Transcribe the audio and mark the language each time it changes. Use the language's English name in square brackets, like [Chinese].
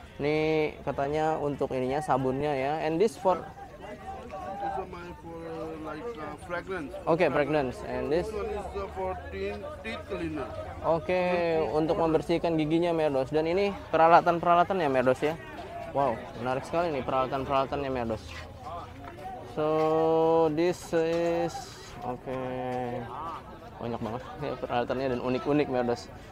[Indonesian] Ini katanya untuk ininya sabunnya ya. [English] And this for? This is my for like fragrance. Okay, fragrance. And this? This one is the 14 teeth cleaner. [Indonesian] Oke, okay, untuk membersihkan giginya Merados. Dan ini peralatan-peralatannya Merados ya. Wow, menarik sekali nih peralatan-peralatannya Merados. So, this is... Oke, okay. Banyak banget ya peralatannya dan unik-unik Merados.